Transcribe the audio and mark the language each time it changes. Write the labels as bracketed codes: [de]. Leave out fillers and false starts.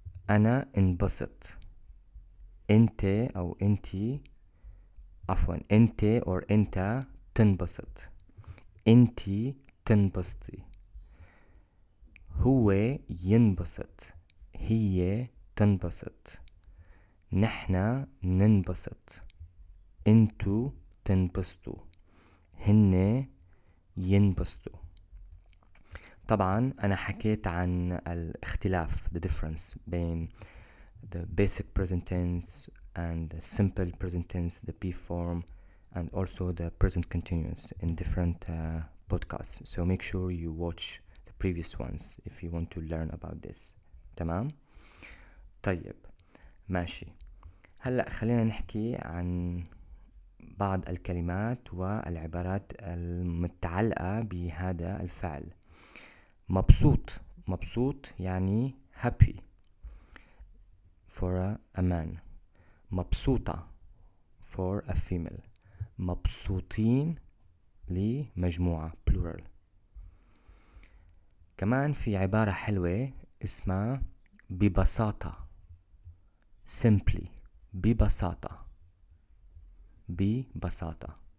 [ar] أنا انبسط، أنت أو أنتي، عفوا أنت or أنت تنبسط، أنتي تنبسطي، هو ينبسط، هي تنبسط، نحن ننبسط، أنتو تنبسطوا، هن ينبسطوا. طبعا انا حكيت عن الاختلاف، [en] the difference [ar] بين [en] the basic present tense and the simple present tense, the be form and also the present continuous in different podcasts. So make sure you watch the previous ones if you want to learn about this. [ar] تمام؟ طيب ماشي. هلا خلينا نحكي عن بعض الكلمات والعبارات المتعلقة بهذا الفعل. مبسوط، مبسوط يعني [en] happy for a man. [ar] مبسوطة [en] for a female. [ar] مبسوطين لمجموعة plural. كمان في عبارة حلوة اسمها ببساطة، simply، ببساطة، ببساطة.